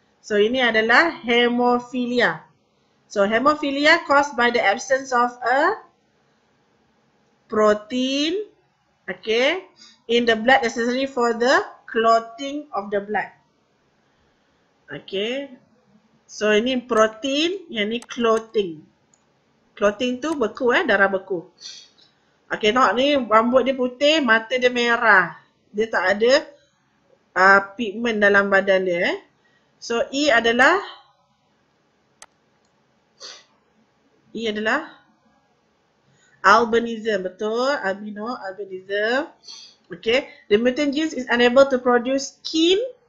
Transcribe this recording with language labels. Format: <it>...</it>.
<ms>So, ini adalah hemophilia.</ms> <en>So, hemophilia caused by the absence of a protein, okay, in the blood necessary for the clotting of the blood.</en> <ms>Okay, so ini protein, yang ni clotting. Clotting tu beku eh, darah beku. Okay, tengok ni rambut dia putih, mata dia merah. Dia tak ada pigment dalam badan dia eh. So, E adalah albinism, betul? Albino, albinism. Okay.</ms> <en>The mutant genes is unable to produce skin.</en>